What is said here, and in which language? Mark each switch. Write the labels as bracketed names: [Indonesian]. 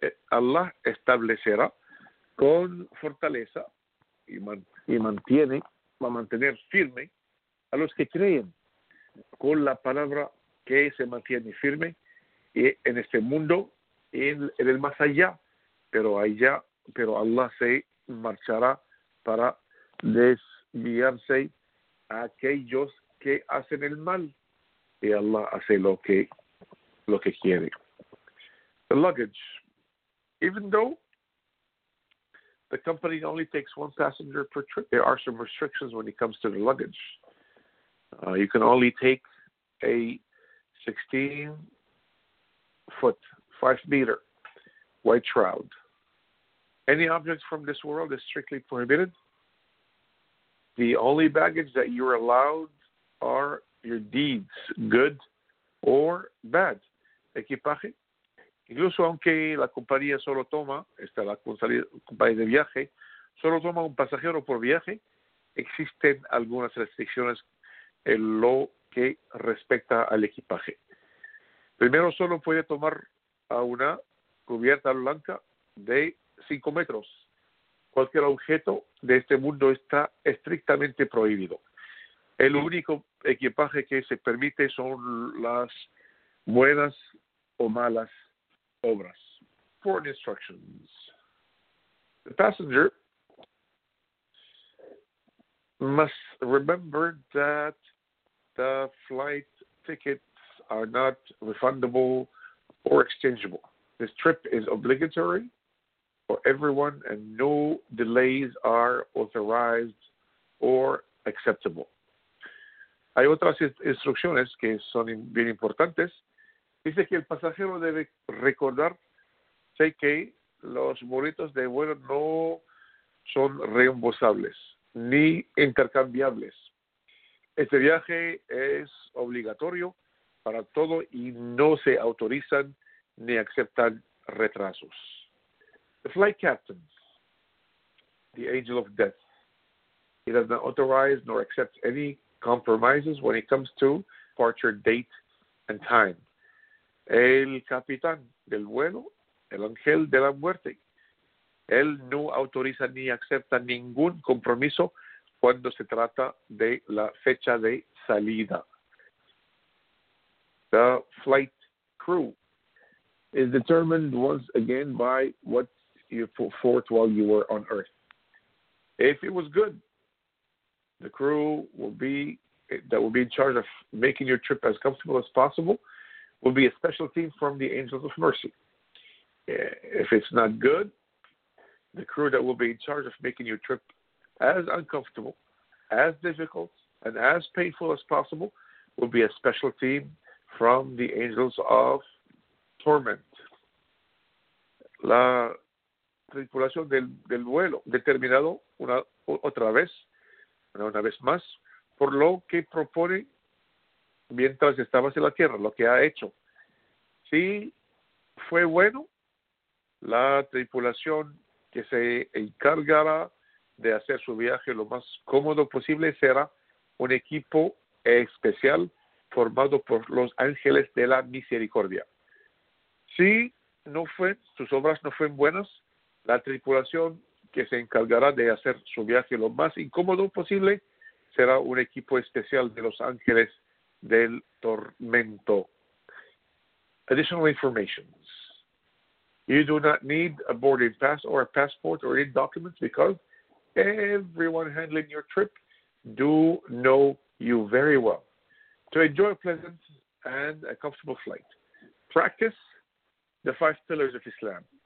[Spanish] Allah establecerá con fortaleza y mantiene firme a los que creen con la palabra que se mantiene firme en este mundo, en el más allá, pero Allah se marchará para desviarse a aquellos que hacen el mal, y Allah hace lo que quiere. [English] The luggage. Even though the company only takes one passenger per trip, there are some restrictions when it comes to the luggage. You can only take a 16-foot, 5-meter, white shroud. Any objects from this world is strictly prohibited. The only baggage that you're allowed are your deeds, good or bad. [Spanish] Equipaje. Incluso aunque la compañía solo toma, esta es la compañía de viaje, solo toma un pasajero por viaje, existen algunas restricciones en lo que respecta al equipaje. Primero, solo puede tomar a una cubierta blanca de 5 metros. Cualquier objeto de este mundo está estrictamente prohibido. El único equipaje que se permite son las buenas o malas obras. [English] Four instructions. The passenger must remember that the flight tickets are not refundable or exchangeable. This trip is obligatory for everyone and no delays are authorized or acceptable. [Spanish] Hay otras instrucciones que son bien importantes. Dice que el pasajero debe recordar, sé que los boletos de vuelo no son reembolsables ni intercambiables. Este viaje es obligatorio para todo y no se autorizan ni aceptan retrasos. [English] The flight captain, the angel of death, he does not authorize nor accept any compromises when it comes to departure date and time. [Spanish] El capitán del vuelo, el ángel de la muerte, él no autoriza ni acepta ningún compromiso cuando se trata de la fecha de salida. [English] The flight crew is determined once again by what you put forth while you were on Earth. If it was good, the crew will be in charge of making your trip as comfortable as possible will be a special team from the Angels of Mercy. If it's not good, the crew that will be in charge of making your trip as uncomfortable, as difficult, and as painful as possible will be a special team from the Angels of Torment. [Spanish] La tripulación del vuelo determinado una vez más, por lo que propone mientras estabas en la Tierra, lo que ha hecho. Si fue bueno, la tripulación que se encargará de hacer su viaje lo más cómodo posible será un equipo especial formado por los ángeles de la misericordia. Si no fue, sus obras no fueron buenas, la tripulación que se encargará de hacer su viaje lo más incómodo posible será un equipo especial de los ángeles del tormento. [English] Additional information. You do not need a boarding pass or a passport or any documents because everyone handling your trip do know you very well. To enjoy a pleasant and a comfortable flight, practice the five pillars of Islam.